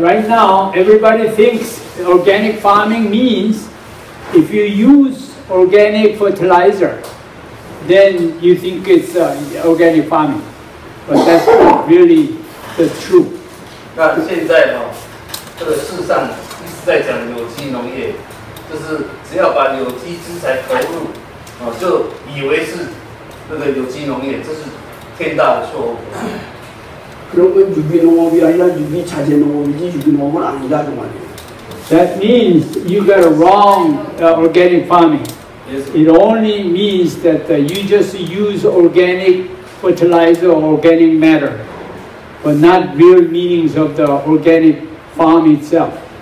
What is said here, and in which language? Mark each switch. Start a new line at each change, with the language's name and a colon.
English: right now, everybody thinks organic farming means if you use organic fertilizer, then you think it's organic farming, but that's not really the truth.
Chinese: 那现在这个世上一直在讲有机农业，就是只要把有机资材投入，就以为是那个有机农业，这是
Korean: 된다고 그런 건 유기농업이 아니라 유기자재농업이지 유기농업은 아니다 그 말이에요.
English: That means you got a wrong organic farming. It only means that you just use organic fertilizer or organic matter, but not real meanings of the organic farm itself.